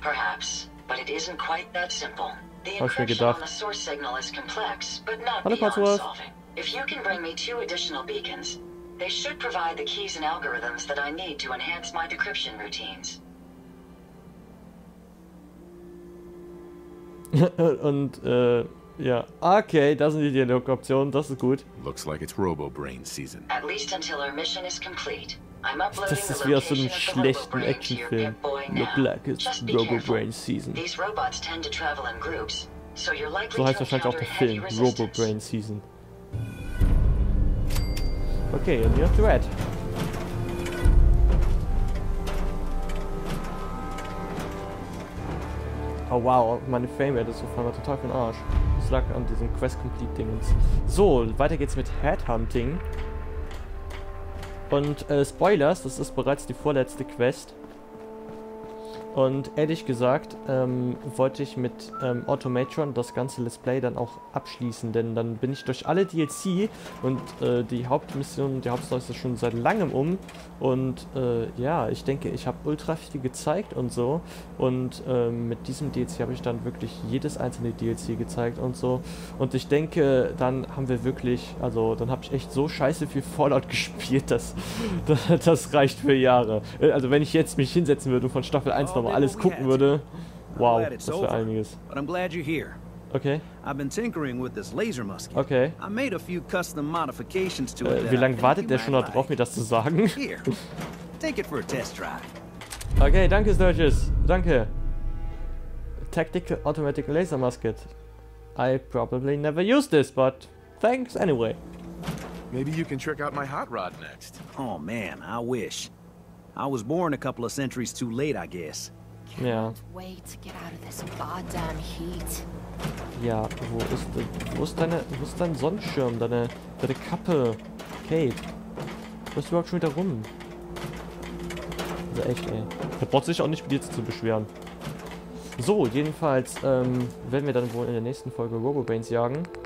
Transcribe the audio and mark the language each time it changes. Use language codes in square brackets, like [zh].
[en] Perhaps, but it isn't quite that simple. [de] Hab ich mir gedacht. Hallo Cosworth. [en] If you can bring me two additional beacons, they should provide the keys and algorithms that I need to enhance my decryption routines. [de] Und ja, okay, das sind die Dialogoptionen, das ist gut. [en] Looks like it's Robo Brain season. At least until our mission is complete. I'm uploading [de] das ist wie aus so einem schlechten Actionfilm. [en] Look like it's Robo Brain season. These robots tend to travel in groups, so you're likely [de] so heißt wahrscheinlich auch der Film, Robo Brain season. Okay, und hier Thread. Oh wow, meine Framerate ist so voll, war total für den Arsch. Das lag an diesem Quest-Complete-Dingens. So, weiter geht's mit Headhunting. Und Spoilers, das ist bereits die vorletzte Quest. Und ehrlich gesagt, wollte ich mit Automatron das ganze Let's Play dann auch abschließen, denn dann bin ich durch alle DLC und die Hauptmission, die Hauptstory ist schon seit langem um. Und ja, ich denke, ich habe ultra viel gezeigt und so. Und mit diesem DLC habe ich dann wirklich jedes einzelne DLC gezeigt und so. Und ich denke, dann haben wir wirklich, also dann habe ich echt so scheiße viel Fallout gespielt, dass das reicht für Jahre. Also wenn ich jetzt mich hinsetzen würde von Staffel 1 nochmal alles gucken würde. Wow, das wäre einiges. Okay. [en] I've been tinkering with this laser musket. Okay. I made a few custom modifications to it. [de] Wie lange wartet der schon darauf, mir das zu sagen? [en] Take it for a test drive. [de] Okay, danke Sturges. Danke. [en] Tactical automatic laser musket. I probably never use this, but thanks anyway. Maybe you can trick out my hot rod next. Oh man, I wish. I was born a couple of centuries too late, I guess. Yeah. Wait to get out of this goddamn heat. [de] Ja, wo ist dein Sonnenschirm, deine Kappe, Kate? Wo bist du überhaupt schon wieder rum? Also echt, ey. Der Bot sich auch nicht mit dir zu beschweren. So, jedenfalls werden wir dann wohl in der nächsten Folge Robo Brains jagen.